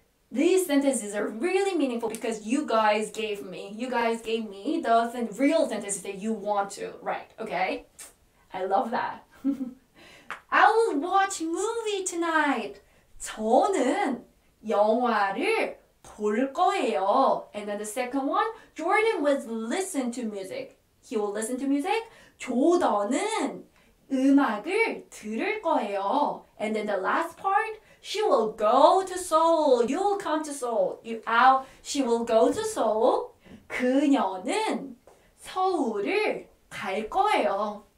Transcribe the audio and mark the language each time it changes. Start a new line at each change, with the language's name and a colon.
English: These sentences are really meaningful because you guys gave me the real sentences that you want to write, okay? I love that. I will watch movie tonight.
Korean: 저는 영화를 볼 거예요.
English: And then the second one, Jordan will listen to music. He will listen to music.
Korean: 조던은 음악을 들을 거예요.
English: And then the last part, she will go to Seoul. You will come to Seoul. She will go to Seoul.
Korean: 그녀는 서울을 갈 거예요.